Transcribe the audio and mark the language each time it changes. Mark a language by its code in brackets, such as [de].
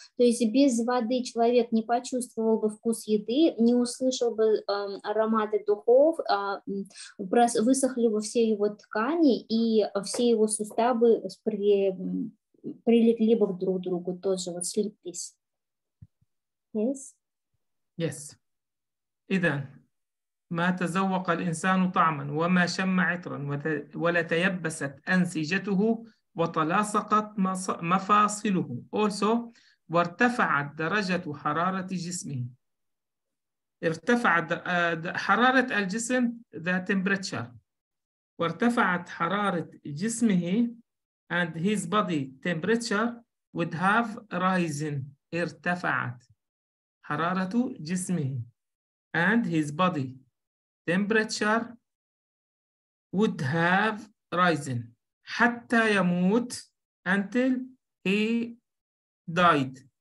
[ru] То есть без воды человек не почувствовал бы вкус еды, не услышал бы ароматы духов, высохли бы все его ткани, и все его суставы прилегли бы друг к другу тоже, вот слиплись. [en] Yes? Yes. [ru] Итак, [ar] ما تزوق الإنسان طعما وما شم عطرا ولتيبست أنسجته وتلاصقت مفاصله [en] also [ar] وارتفعت درجة حرارة جسمه. ارتفعت حرارة الجسم [en] the temperature. [ar] وارتفعت حرارة جسمه [en] and his body temperature would have risen, [ar] ارتفعت حرارة جسمه [en] and his body temperature would have risen [ar] حتى يموت [en] until he died.